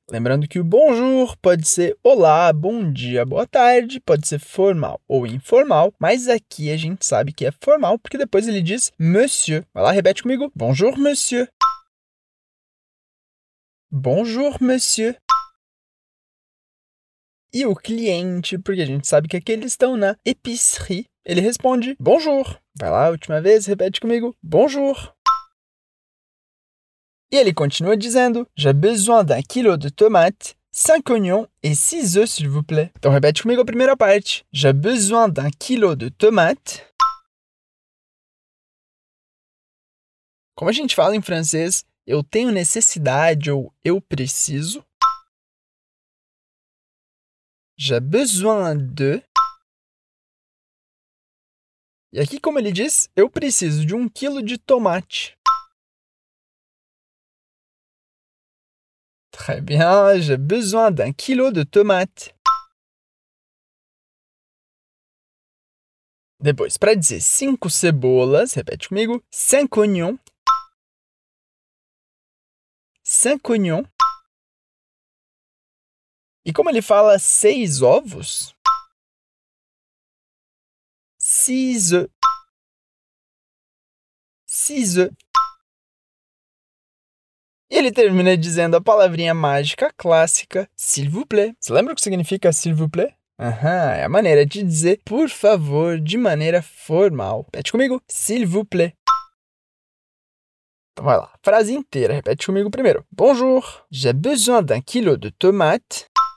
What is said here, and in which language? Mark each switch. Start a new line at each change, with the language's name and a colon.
Portuguese: Lembrando que o bonjour pode ser olá, bom dia, boa tarde, pode ser formal ou informal, mas aqui a gente sabe que é formal porque depois ele diz monsieur. Vai lá, repete comigo.
French: Bonjour, monsieur. Bonjour, monsieur.
Portuguese: E o cliente, porque a gente sabe que aqui eles estão na épicerie, ele responde bonjour. Vai lá, última vez, repete comigo.
French: Bonjour.
Portuguese: E ele continua dizendo
French: J'ai besoin d'un kilo de tomates, 5 oignons et 6 œufs, s'il vous plaît.
Portuguese: Então repete comigo a primeira parte.
French: J'ai besoin d'un kilo de tomates.
Portuguese: Como a gente fala em francês, eu tenho necessidade ou eu preciso.
French: J'ai besoin de.
Portuguese: E aqui, como ele diz, eu preciso de 1 quilo de tomate.
French: Très bien, j'ai besoin d'un kilo de tomate.
Portuguese: Depois, para dizer 5 cebolas, repete comigo,
French: 5 oignons. 5 oignons.
Portuguese: E como ele fala 6 ovos?
French: 6 œufs. 6 œufs.
Portuguese: E ele termina dizendo a palavrinha mágica clássica,
French: s'il vous plaît.
Portuguese: Você lembra o que significa
French: s'il vous plaît?
Portuguese: Aham, é a maneira de dizer por favor de maneira formal. Repete comigo,
French: s'il vous plaît.
Portuguese: Então vai lá, frase inteira, repete comigo primeiro.
French: Bonjour, j'ai besoin d'un kilo de tomates.